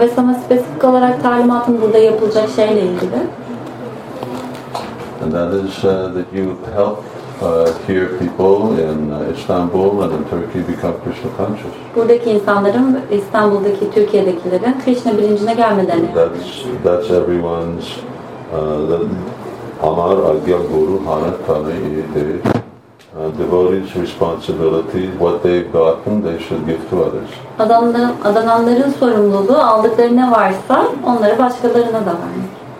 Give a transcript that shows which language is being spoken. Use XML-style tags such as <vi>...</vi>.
<tr>Ve sana spesifik olarak talimatın burada yapılacak şeyle ilgili.</tr> <en>And that is that you help here people in Istanbul and in Turkey become Krishna conscious.</en> <tr>Buradaki insanların, İstanbul'daki, Türkiye'dekilerin Krishna bilincine gelmelerini.</tr> <en>That's everyone's</en> <bn>Amar Agya Guru Hanat Tane Iyide</bn> <en>devotee's responsibility, what they've gotten, they should give to others.</en> <tr>Adananların sorumluluğu, aldıkları ne varsa onları başkalarına da vermek.</tr>